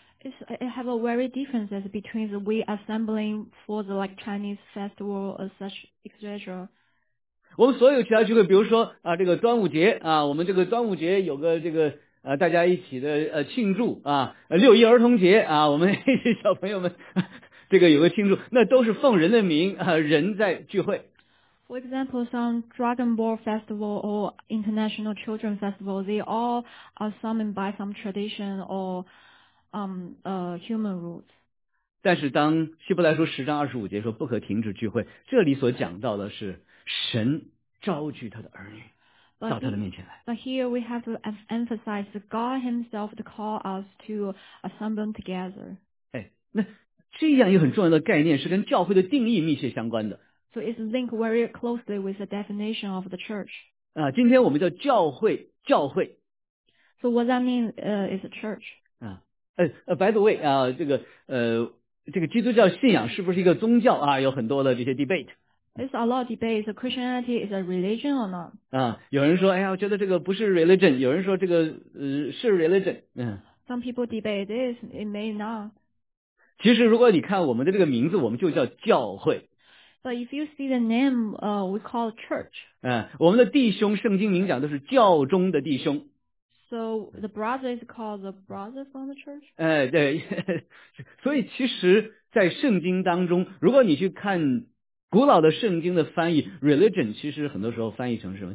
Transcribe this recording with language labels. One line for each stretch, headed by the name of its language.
English: It have a very differences between the we assembling for the like Chinese festival or such etc.
Chinese: 我们所有其他聚会，比如说这个端午节我们这个端午节有个这个大家一起的庆祝六一儿童节我们小朋友们这个有个庆祝，那都是奉人的名人在聚会。
English: For example, some Dragon Ball Festival or International Children Festival, they all are summoned by some tradition or human rules.
Chinese: 但是当希伯来书十章二十五节说不可停止聚会，这里所讲到的是神召聚他的儿女到他的面前来。
English: But here we have to emphasize God himself to call us to assemble together.
Chinese: 那这样一个很重要的概念是跟教会的定义密切相关的。
English: So it's linked very closely with the definition of the church.
Chinese: 今天我们叫教会，教会。
English: So what that means is a church. By the way,
Chinese: 这个基督教信仰是不是一个宗教有很多的这些 debate.
English: It's a lot of debate. So Christianity is a religion or not?
Chinese: 有人说哎呀我觉得这个不是 religion, 有人说这个是 religion.
English: Some people debate this, it may not.
Chinese: 其实如果你看我们的这个名字，我们就叫教会。
English: But if you see the name, we call church.
Chinese: 我们的弟兄，圣经明讲都是教中的弟兄。
English: So the brother is called the brother from the church?
Chinese: 对。所以其实在圣经当中，如果你去看古老的圣经的翻译 ,religion 其实很多时候翻译成什么？